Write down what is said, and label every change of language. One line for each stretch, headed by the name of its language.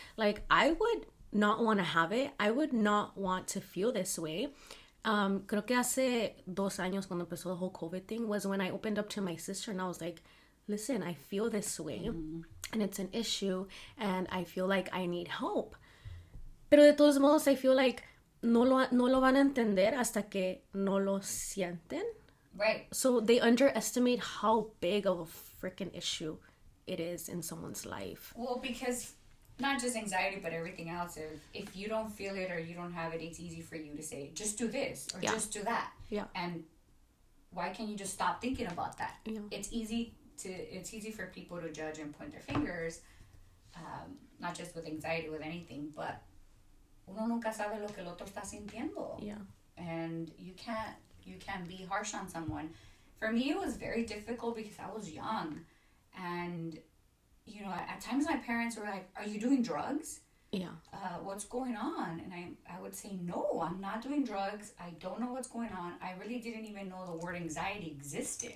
English: Like, I would not want to have it. I would not want to feel this way.
Spanish: Creo que hace 2 años cuando empezó
English: the whole COVID thing was when I opened up to my sister and I was like, listen, I feel this way, mm-hmm. and it's an issue, and I feel like I need help.
Spanish: Pero de todos modos,
English: I feel like
Spanish: no lo van a entender hasta que no lo sienten.
English: Right. So they underestimate how big of a freaking issue it is in someone's life. Well, because not just anxiety, but everything else. If you don't feel it or you don't have it, it's easy for you to say, just do this or yeah. just do that. Yeah. And why can't you just stop thinking about that? Yeah. It's easy for people to judge and point their fingers, not just with anxiety, with anything, but...
Spanish: Uno nunca sabe lo que el otro está sintiendo.
English: Yeah. And you can't be harsh on someone. For me, it was very difficult because I was young. And, you know, at times my parents were like, are you doing drugs? what's going on? And I would say, no, I'm not doing drugs. I don't know what's going on. I really didn't even know the word anxiety existed.